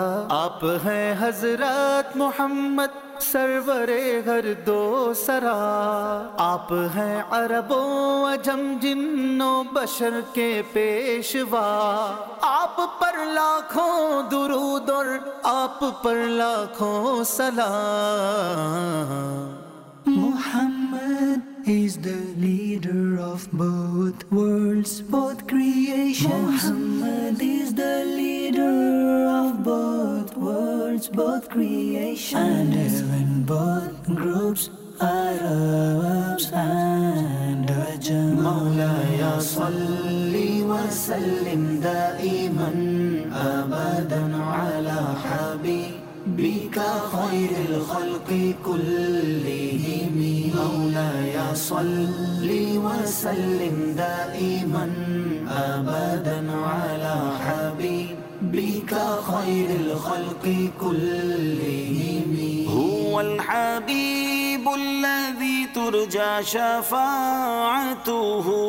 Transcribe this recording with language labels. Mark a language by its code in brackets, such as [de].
[ur] آپ ہیں حضرت محمد سرور ہر دو سرا. آپ ہیں عرب و عجم جن و بشر کے پیشوا. آپ پر لاکھوں درود اور آپ پر لاکھوں سلام. [en] Muhammad is the leader of both worlds, both creations. Muhammad is the leader of both worlds, both creations. And even both groups, Arabs and Ajam. [ar] Mawla ya salli wa sallim da'iman abadan ala habib بك خير الخلق كلهم. مولاي صل وسلم دائما ابدا على حبيبك خير الخلق كلهم. هو الحبيب الذي ترجى شفاعته.